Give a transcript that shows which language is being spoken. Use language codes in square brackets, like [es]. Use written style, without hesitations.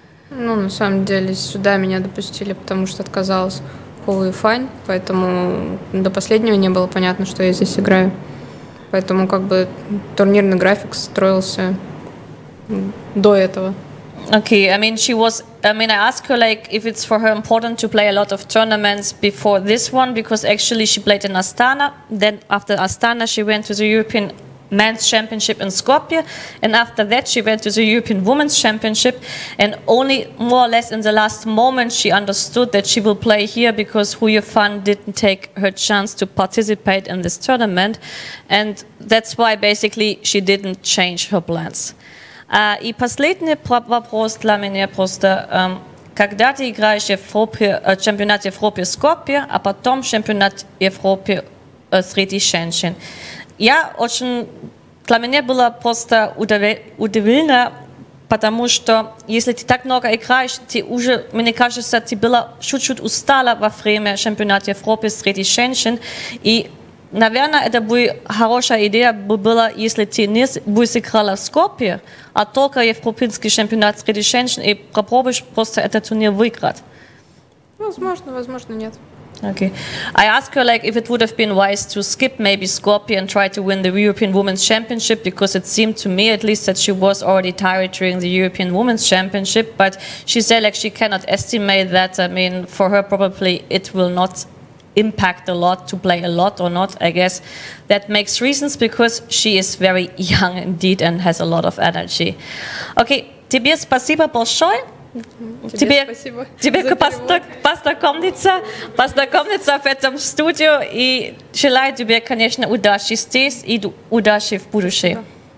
[ru] Ну, на самом деле, сюда меня допустили, потому что отказалась. Фань, поэтому до последнего не было понятно, что я здесь играю. Поэтому как бы турнирный график строился до этого. [en] Okay, I mean, she was. I mean, I asked her like if it's for her important to play a lot of tournaments before this one, because actually she played in Astana. Then after Astana, she went to the European Men's Championship in Skopje, and after that she went to the European Women's Championship. And only more or less in the last moment she understood that she will play here, because Hu Yifan didn't take her chance to participate in this tournament, and that's why basically she didn't change her plans. [ru] И последний вопрос для меня просто, когда ты играешь в чемпионате Европы в Скопье, а потом чемпионат Европы среди женщин. Я очень, для меня было просто удивительно, потому что если ты так много играешь, ты уже, мне кажется, ты была чуть-чуть устала во время чемпионата Европы среди женщин. И, наверное, это будет хорошая идея была, если ты не будешь играла в Скопье, а только европейский чемпионат среди женщин, и попробуешь просто этот турнир выиграть. Возможно, возможно, нет. [en] Okay. I asked her like if it would have been wise to skip maybe Skopje and try to win the European Women's Championship, because it seemed to me at least that she was already tired during the European Women's Championship, but she said like she cannot estimate that. I mean, for her probably it will not impact a lot to play a lot or not. I guess that makes reasons, because she is very young indeed and has a lot of energy. [ru] Okay, тебе спасибо большое. Тебе спасибо. Тебе познакомиться в этом студию, и желаю тебе, конечно, удачи здесь и удачи в будущем.